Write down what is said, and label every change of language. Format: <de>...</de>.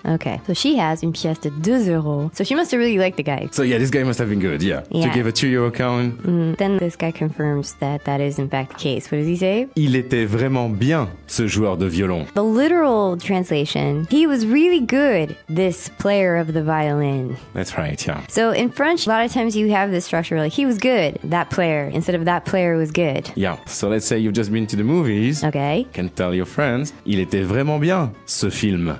<en>Okay, so she has</en> <fr>une pièce de 2 euros.</fr> <en>So she must have really liked the guy. So yeah, this guy must have been good, yeah. Yeah. To give a 2 euro coin. Mm-hmm. Then this guy confirms that that is in fact the case. What does he say?</en> <fr>Il était vraiment bien, ce joueur de violon.</fr> <en>The literal translation, he was really good, this player of the violin. That's right, yeah. So in French, a lot of times you have this structure like, he was good, that player, instead of that player was good. Yeah, so let's say you've just been to the movies. Okay. You can tell your friends,</en> <fr>il était vraiment bien, ce film.</fr>